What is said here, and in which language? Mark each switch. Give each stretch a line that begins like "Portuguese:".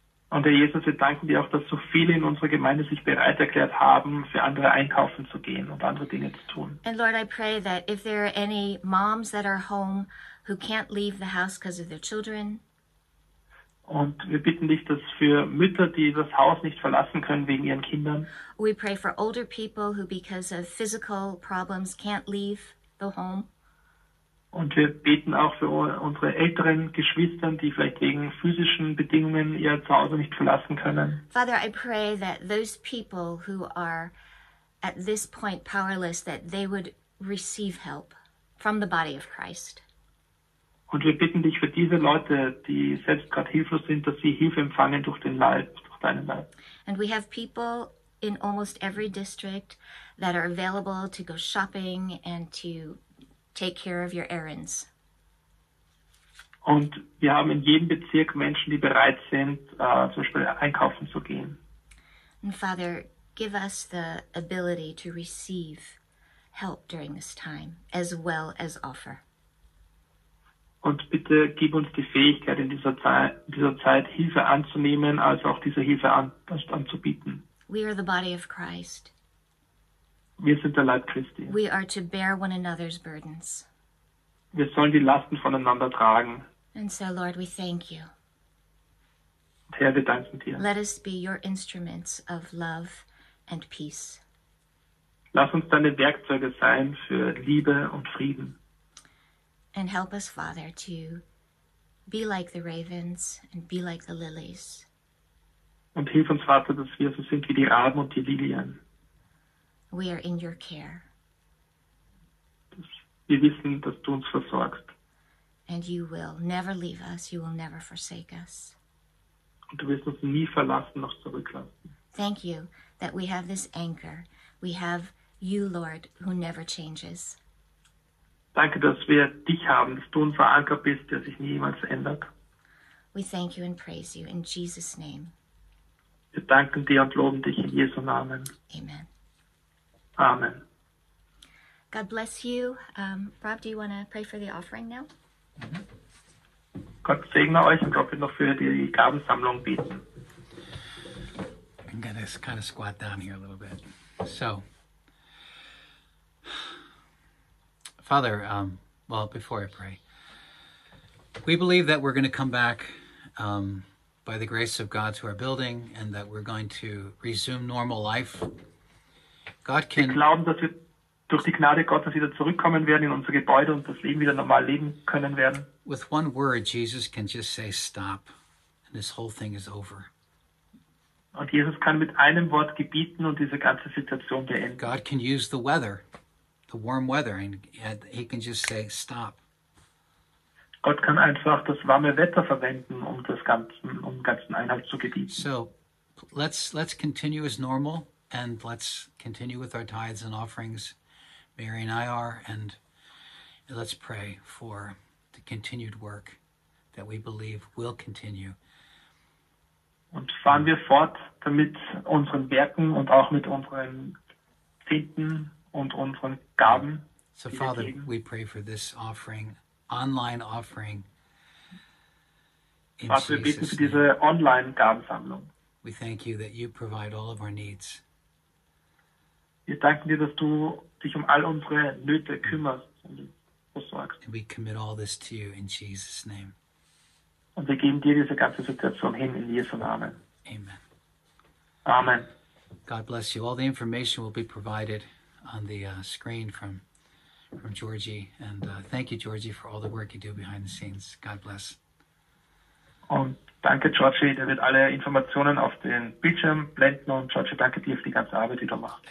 German: Und Herr Jesus, wir danken dir auch, dass so viele in unserer Gemeinde sich bereit erklärt haben, für andere einkaufen zu gehen und andere Dinge zu tun.
English: And Lord, I pray that if there are any moms that are home who can't leave the house because of their children.
German: Und wir bitten dich, dass für Mütter, die das Haus nicht verlassen können wegen ihren Kindern.
English: We pray for older people who because of physical problems can't leave the home.
German: Und wir beten auch für unsere älteren Geschwister, die vielleicht wegen physischen Bedingungen ihr Zuhause nicht verlassen können.
English: Father, I pray that those people who are at this point powerless, that they would receive help from the body of Christ.
German: Und wir bitten dich für diese Leute, die selbst gerade hilflos sind, dass sie Hilfe empfangen durch den Leib, durch deinen Leib.
English: And we have people in almost every district that are available to go shopping and to take care of your errands.
German: Und wir haben in jedem Bezirk Menschen, die bereit sind, zum Beispiel einkaufen zu gehen.
English: And Father, give us the ability to receive help during this time, as well as offer.
German: Und bitte gib uns die Fähigkeit, in dieser Zeit Hilfe anzunehmen, als auch diese Hilfe anzubieten.
English: We are the body of Christ.
German: Wir sind der Leib Christi.
English: We are to bear one another's burdens.
German: Wir sollen die Lasten voneinander tragen.
English: And so, Lord, we thank you.
German: Und Herr, wir danken dir.
English: Let us be your instruments of love and peace.
German: Lass uns deine Werkzeuge sein für Liebe und Frieden.
English: And help us, Father, to be like the ravens and be like the lilies.
German: Und hilf uns, Vater, dass wir so sind wie die Raben und die Lilien.
English: We are in your care.
German: Wir wissen, dass du uns versorgst.
English: And you will never leave us. You will never forsake us.
German: Und du wirst uns nie verlassen noch zurücklassen.
English: Thank you that we have this anchor. We have you, Lord, who never changes.
German: Danke, dass wir dich haben, dass du unser Anker bist, der sich niemals ändert.
English: We thank you and praise you in Jesus' name.
German: Wir danken dir und loben dich in Jesu Namen.
English: Amen.
German: Amen.
English: God bless you. Rob, do you want to pray for the offering now? Mm-hmm.
German: Gott segne euch und Gott wird noch für die Gabensammlung bieten.
English: I'm going to kind of squat down here a little bit. So, Father, before I pray, we believe that we're going to come back by the grace of God to our building and that we're going to resume normal life. God can...
German: Wir glauben, dass wir durch die Gnade Gottes wieder zurückkommen werden in unser Gebäude und das Leben wieder normal leben können werden.
English: With one word, Jesus can just say stop and this whole thing is over.
German: Und Jesus kann mit einem Wort gebieten und diese ganze Situation beenden.
English: God can use the weather. The warm weather, and he can just say, stop.
German: Gott kann einfach das warme Wetter verwenden, um das Ganzen, um ganzen Einhalt zu gebieten.
English: So, let's continue as normal, and let's continue with our tithes and offerings. Mary and I are, and let's pray for the continued work that we believe will continue.
German: Und fahren wir fort, damit unseren Werken und auch mit unseren Zehnten und unseren Gaben.
English: So, Father, we pray for this offering, online offering.
German: Was wir bitten für diese online Gabensammlung.
English: We thank you that you provide all of our needs.
German: Wir danken dir, dass du dich um all unsere Nöte kümmerst und versorgst.
English: And we commit all this to you in Jesus' name.
German: Und wir geben dir diese ganze Situation hin in Jesu Namen.
English: Amen.
German: Amen.
English: God bless you. All the information will be provided on the screen from Georgie, and thank you, Georgie, for all the work you do behind the scenes. God bless.
German: Und danke, Georgie. Der wird alle Informationen auf den Bildschirm blenden. Und Georgie, danke dir für die ganze Arbeit, die du machst.